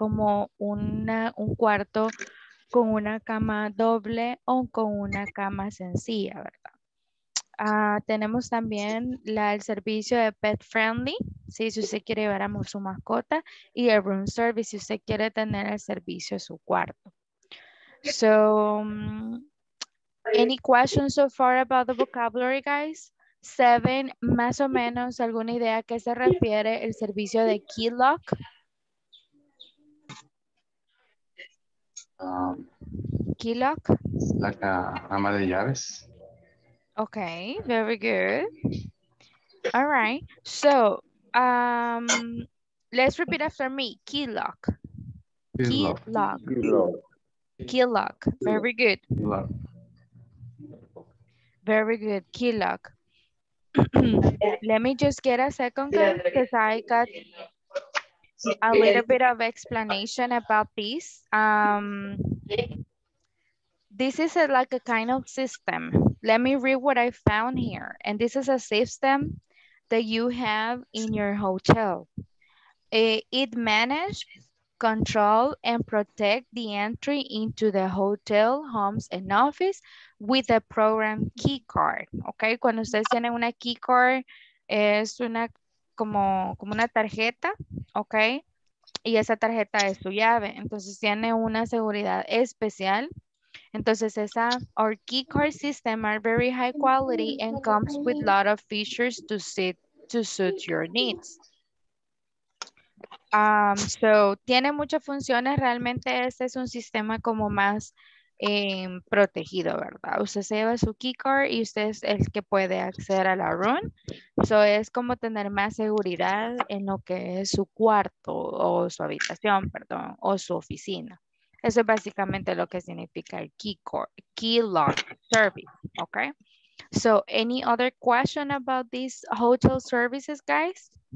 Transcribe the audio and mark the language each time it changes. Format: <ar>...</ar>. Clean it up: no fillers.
<es>Como un cuarto con una cama doble o con una cama sencilla, ¿verdad? Tenemos también el servicio de pet friendly, ¿sí? Si usted quiere llevar a su mascota, y el room service, si usted quiere tener el servicio de su cuarto.</es> <en>So, any questions so far about the vocabulary, guys?</en> <es>Seven, más o menos, ¿alguna idea a qué se refiere el servicio de key lock?</es> <en>Key lock? Like a</en> <es>ama de llaves.</es> <en>Okay, very good. All right, so let's repeat after me. Key lock. Key lock. Key lock. Very good. Key lock. Very good, key lock. Let me just get a second, because I got a little bit of explanation about this. This is like a kind of system. Let me read what I found here. And this is a system that you have in your hotel. It manages, controls, and protects the entry into the hotel, homes, and office with a program key card, okay?</en> <es>Cuando ustedes tienen una key card, es una como una tarjeta, okay? Y esa tarjeta es su llave, entonces tiene una seguridad especial. Entonces esa,</es> <en>our key card system are very high quality and comes with a lot of features to suit your needs.</en> <es>So, tiene muchas funciones, realmente este es un sistema como más protegido, ¿verdad? Usted se lleva su keycard y usted es el que puede acceder a la room. So es como tener más seguridad en lo que es su cuarto o su habitación, perdón, o su oficina. Eso es básicamente lo que significa el key lock service, ¿ok?</es> <en>So, any other question about these hotel services, guys?</en>